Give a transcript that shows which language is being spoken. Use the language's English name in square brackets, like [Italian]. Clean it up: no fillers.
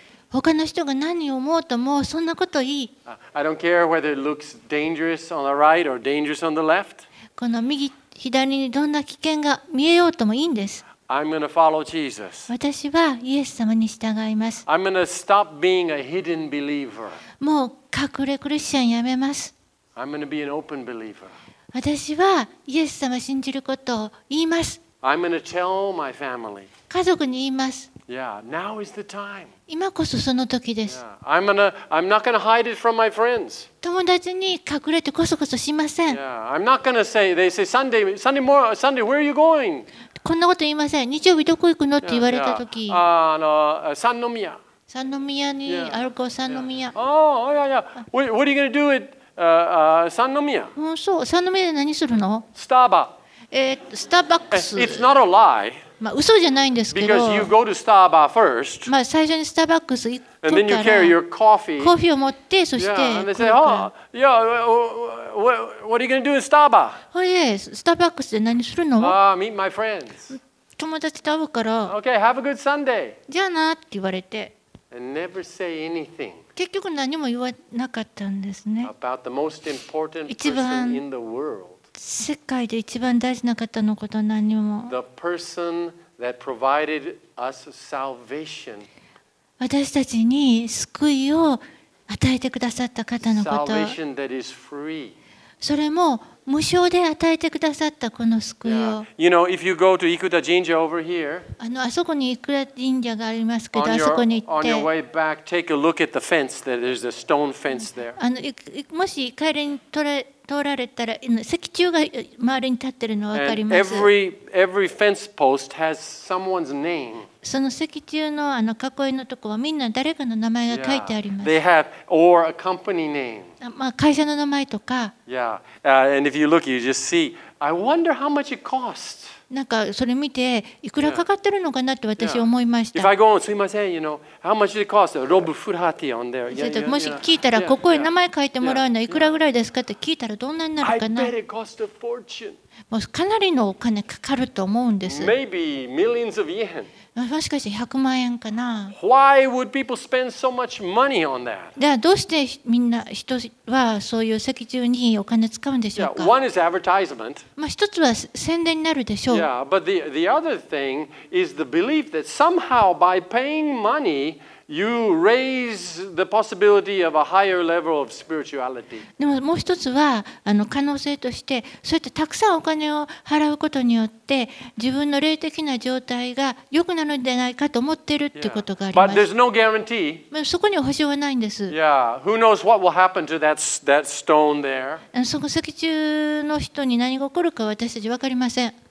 [Japanese] 他の人が何を思うともうそんなこといい。 [English] I don't care whether it looks dangerous on the right or dangerous on the left. [Japanese] この右左にどんな危険が見えようともいいんです。 [English] I'm going to follow Jesus. [Japanese] 私はイエス様に従います。 [English] I'm going to stop being a hidden believer. [Japanese] もう隠れクリスチャンやめます。 [English] I'm going to be an open believer. [Japanese] 私はイエス様を信じることを言います。 [English] I'm going to tell my family. [Japanese] 家族に言います。 [English] Yeah, now is the time. [Japanese] 今こそその時です。 [English] Yeah, I'm not going to hide it from my friends. [Japanese] 友達に隠れてこそこそしません。 [English] Yeah, I'm not going to say, they say, Sunday morning, Sunday, where are you going? [Japanese] こんなこと言いません。日曜日どこ行くのって言われたとき、三宮。三宮に歩こう、三宮。 [English] What are you going to do at 三宮？ [Japanese] そう、三宮で何するの？スターバ。スターバックス。 [English] It's not a lie. [Japanese] まあ嘘じゃないんですけど。 [English] Because you go to Starbucks first. [Japanese] まあ最初にスターバックス行ったら。 [English] And then you carry your coffee. [Japanese] コーヒーを持って、そして。 [English] Yeah, and they say, what are you going to do in Starbucks? Oh yes, [Japanese] Starbucks で何するの？ [English] Meet my friends. [Japanese] 友達と会うから。 [English] Okay, have a good Sunday. [Japanese] じゃあなって言われて。 [English] And never say anything. [Japanese] 結局何も言わなかったんですね。 [English] About the most important person in the world. [Japanese] 世界で一番大事な方のこと何も。 [English] The person that provided us salvation. [Japanese] 私たちに救いを与えてくださった方のこと。 [English] Salvation that is free. [Japanese] それも無償で与えてくださったこの救いを。 [English] You know, if you go to Ikuta Jinja over here. [Japanese] あそこに Ikuta Jinja がありますけど、あそこに行って。 [English] On your way back, take a look at the fence. There's a stone fence there. [Japanese] もし帰りに通られたら石柱が周りに立ってるの分かります。 [English] Every fence post has someone's name. [Japanese] その石柱の囲いのとこはみんな誰かの名前が書いてあります。 [English] Yeah, they have or a company name. [Japanese] まあ会社の名前とか。 [English] Yeah, and if you look, you just see. I wonder how much it costs. [Japanese] なんかそれ見ていくらかかってるのかなって私思いました。 [English] Yeah. If I go on, [Japanese] すいません、 [English] you know, how much it costs? Rob Furhati on there. Yeah, yeah, yeah. [Japanese] もし聞いたらここへ名前書いてもらうのいくらぐらいですかって聞いたらどんなになるかな。 [English] I bet it costs a fortune. [Japanese] もうかなりのお金かかると思うんです。 [English] Maybe millions of yen. [Japanese] もしかして100万円かな。 [English] Why would people spend so much money on that? [Japanese] ではどうしてみんな人はそういう石柱にお金使うんでしょうか。 [English] Yeah, one is advertisement. [Japanese] まあ一つは宣伝になるでしょう。 [English] Yeah, but the other thing is the belief that somehow by paying money. You raise the possibility of a higher level of spirituality. [Japanese] でももう一つは可能性として、そうやってたくさんお金を払うことによって、自分の霊的な状態が良くなるんじゃないかと思っているってことがあります。 [English] But there's no guarantee. [Japanese] まあそこには保証はないんです。 [English] Yeah. Who knows what will happen to that stone there? [Japanese] その石柱の人に何が起こるか私たち分かりません。